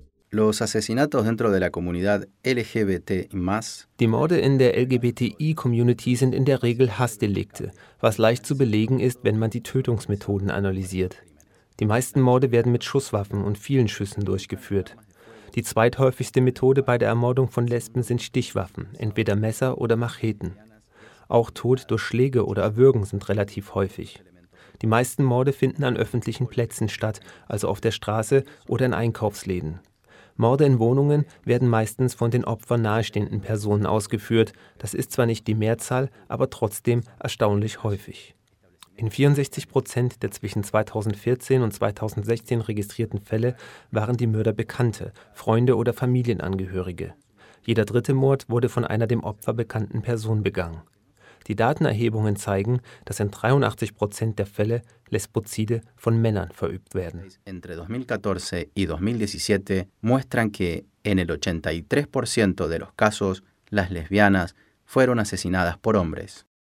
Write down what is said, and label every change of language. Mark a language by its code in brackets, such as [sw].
[es] Los asesinatos dentro de la comunidad LGBT más. [de] Die Morde in der LGBTI-Community sind in der Regel Hassdelikte, was leicht zu belegen ist, wenn man die Tötungsmethoden analysiert. Die meisten Morde werden mit Schusswaffen und vielen Schüssen durchgeführt. Die zweithäufigste Methode bei der Ermordung von Lesben sind Stichwaffen, entweder Messer oder Macheten. Auch Tod durch Schläge oder Erwürgen sind relativ häufig. Die meisten Morde finden an öffentlichen Plätzen statt, also auf der Straße oder in Einkaufsläden. Morde in Wohnungen werden meistens von den Opfern nahestehenden Personen ausgeführt. Das ist zwar nicht die Mehrzahl, aber trotzdem erstaunlich häufig. In 64% der zwischen 2014 und 2016 registrierten Fälle waren die Mörder Bekannte, Freunde oder Familienangehörige. Jeder dritte Mord wurde von einer dem Opfer bekannten Person begangen. Die Datenerhebungen zeigen, dass in 83% der Fälle Lesbozide von Männern verübt werden. [es] Entre 2014 y 2017 muestran que en el 83% de los casos las lesbianas fueron asesinadas por hombres.